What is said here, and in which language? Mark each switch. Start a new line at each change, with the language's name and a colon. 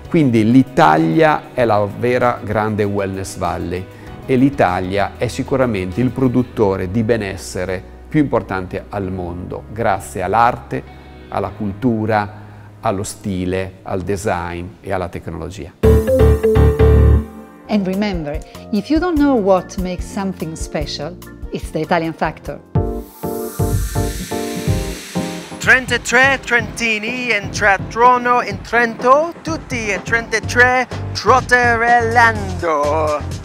Italian: Quindi l'Italia è la vera grande Wellness Valley e l'Italia è sicuramente il produttore di benessere più importante al mondo, grazie all'arte, alla cultura, allo stile, al design e alla tecnologia.
English: And remember, if you don't know what makes something special, it's the Italian factor.
Italian: 33 Trentini in Trattrono in Trento, tutti e 33 Trotterellando.